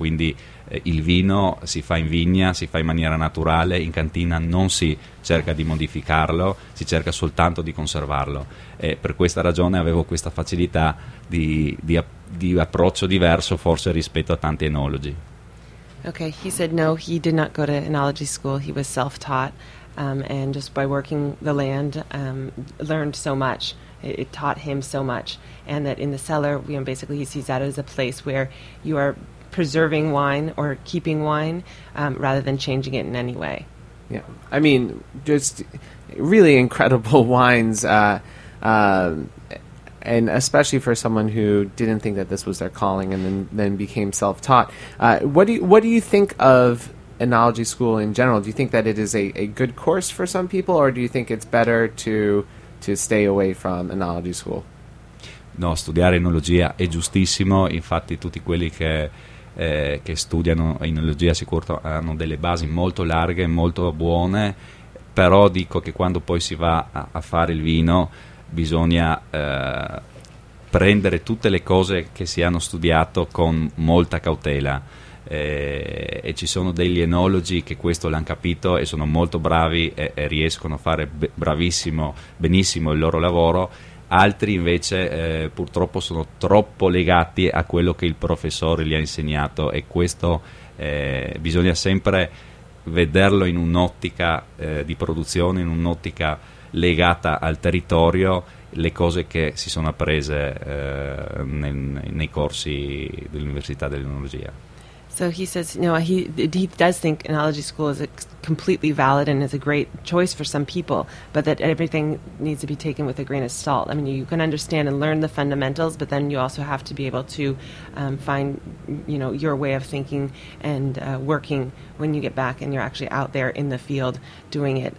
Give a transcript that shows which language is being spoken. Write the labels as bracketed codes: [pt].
[it] Quindi il vino si fa in vigna, si fa in maniera naturale, in cantina non si cerca di modificarlo, si cerca soltanto di conservarlo. E per questa ragione avevo questa facilità di approccio diverso, forse rispetto a tanti enologi. [en] Okay, he said no, he did not go to enology school, he was self-taught, and just by working the land learned so much. It taught him so much, and that in the cellar, you know, basically he sees that as a place where you are preserving wine or keeping wine rather than changing it in any way. Yeah, I mean, just really incredible wines, and especially for someone who didn't think that this was their calling and then became self-taught. What do you think of enology school in general? Do you think that it is a good course for some people, or do you think it's better to stay away from enology school? [it] No, studiare enologia è giustissimo, infatti tutti quelli che studiano enologia sicuro hanno delle basi molto larghe, molto buone, però dico che quando poi si va a fare il vino bisogna prendere tutte le cose che si hanno studiato con molta cautela. E ci sono degli enologi che questo l'hanno capito e sono molto bravi e riescono a fare benissimo il loro lavoro. Altri invece purtroppo sono troppo legati a quello che il professore gli ha insegnato, e questo bisogna sempre vederlo in un'ottica di produzione, in un'ottica legata al territorio, le cose che si sono apprese nei corsi dell'Università dell'Enologia. [en] So he says, you know, he does think enology school is completely valid and is a great choice for some people, but that everything needs to be taken with a grain of salt. I mean, you can understand and learn the fundamentals, but then you also have to be able to find, you know, your way of thinking and working when you get back and you're actually out there in the field doing it.